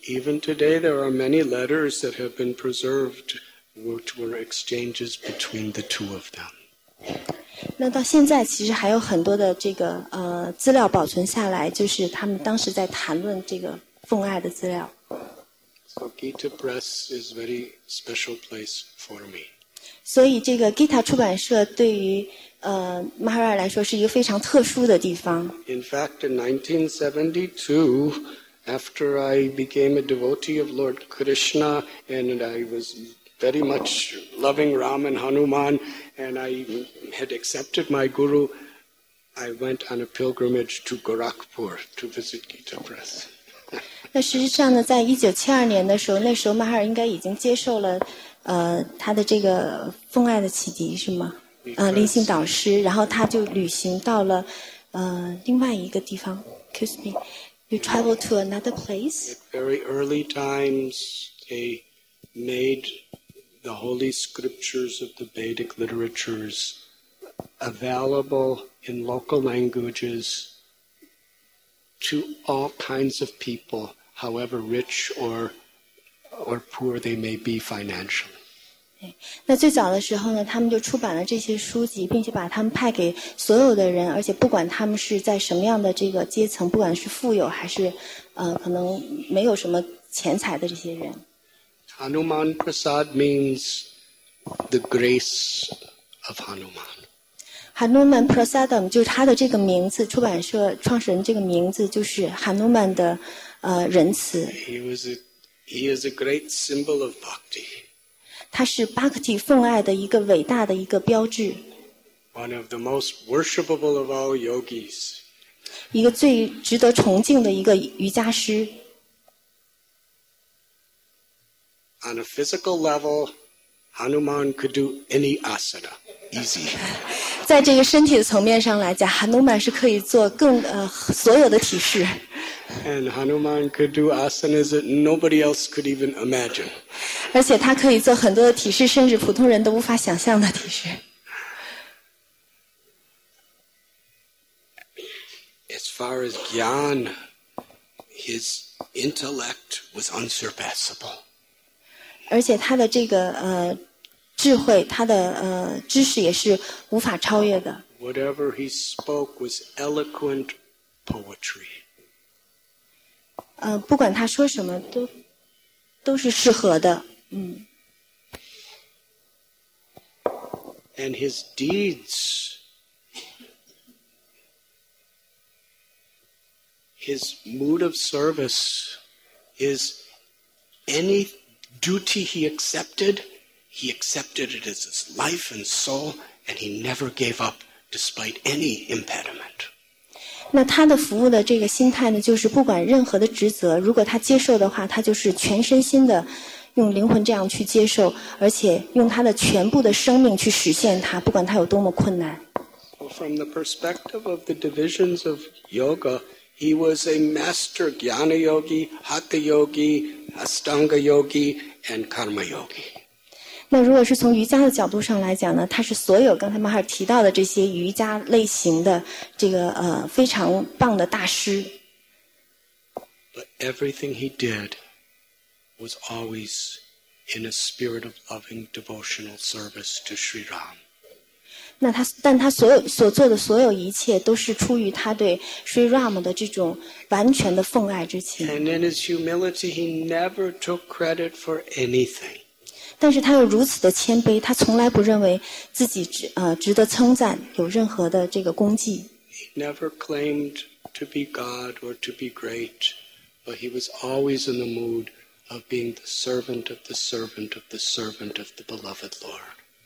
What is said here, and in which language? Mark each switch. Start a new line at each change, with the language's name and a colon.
English: And even today, there are many letters that have been preserved, which were exchanges between the two of them.
Chinese: 那到现在其实还有很多的这个资料保存下来，就是他们当时在谈论这个奉爱的资料。
English: So Gita Press is very special place for me.
Chinese: 所以这个 Gita 出版社对于Maharaj 来说是一个非常特殊的地方。
English: In fact, in 1972, after I became a devotee of Lord Krishna, and I was very much loving Ram and Hanuman, and I had accepted my guru, I went on a pilgrimage to Gorakhpur to visit Gita Press.
Chinese: 那实际上呢，在1972年的时候，那时候 Maharaj 应该已经接受了他的这个奉爱的启迪，是吗？灵性导师，然后他就旅行到了另外一个地方。
English: Excuse me, you travel to another place. At very early times, they made the holy scriptures of the Vedic literatures available in local languages to all kinds of people, however rich or poor they may be financially.
Chinese: 那最早的时候呢，他们就出版了这些书籍，并且把他们派给所有的人，而且不管他们是在什么样的这个阶层，不管是富有还是可能没有什么钱财的这些人。
English: Hanuman Prasad means the grace of Hanuman.
Chinese: Hanuman Prasadam 就是他的这个名字，出版社创始人这个名字就是 Hanuman 的仁慈。
English: He is a great symbol of bhakti.
Chinese: 他是 Bhakti 奉爱的一个伟大的一个标志。
English: One of the most worshipable of all yogis.
Chinese: 一个最值得崇敬的一个瑜伽师。
English: On a physical level, Hanuman could do any asana, easy.
Chinese: 在这个身体的层面上来讲 ，Hanuman 是可以做更所有的体式。
English: And Hanuman could do asanas that nobody else could even imagine.
Chinese: 而且他可以做很多的体式，甚至普通人都无法想象的体式。
English: far as gyan, his intellect was unsurpassable.
Chinese: 而且他的这个智慧，他的知识也是无法超越的。
English: Whatever he spoke was eloquent poetry.
Chinese: 不管他说什么都是适合的，
English: And his deeds, his mood of service, is any duty he accepted it as his life and soul, and he never gave up despite any impediment.
Chinese: 那他的服务的这个心态呢，就是不管任何的职责，如果他接受的话，他就是全身心的。用灵魂这样去接受，而且用他的全部的生命去实现它，不管它有多么困难。
English: From the perspective of the divisions of yoga, he was a master jnana yogi, hatha yogi, astanga yogi, and karma yogi.
Chinese: 那如果是从瑜伽的角度上来讲呢，他是所有刚才马哈尔提到的这些瑜伽类型的这个非常棒的大师。
English: But everything he did. Was always in a spirit of loving devotional service to Sri Ram.
Chinese: 那他但他所做的所有一切都是出于他对 Sri Ram 的这种完全的奉爱之情。
English: And in his humility, he never took credit for anything.
Chinese: 但是他又如此的谦卑，他从来不认为自己值得称赞，有任何的这个功绩。
English: He never claimed to be God or to be great, but he was always in the mood. Of being the servant of the servant of the servant of the beloved Lord.